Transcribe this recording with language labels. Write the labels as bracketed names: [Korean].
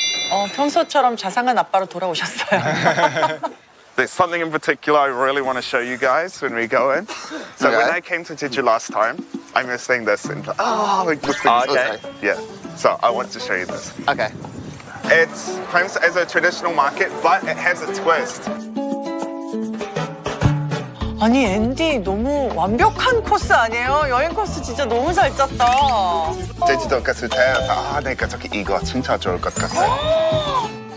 [Korean] Oh, 평소처럼 자상한 아빠로 돌아오셨어요. [English] There's something in particular I really want to show you guys when we go in. So okay. When I came to Jeju last time, I'm going to sing this. And, okay. Yeah, so I want to show you this. Okay. It's famous as a traditional market, but it has a twist. [Korean] 아니, 앤디 너무 완벽한 코스 아니에요? 여행 코스 진짜 너무 잘 짰다. 제주도 갔을 때, 아, 내가 저기 이거 진짜 좋을 것 같아.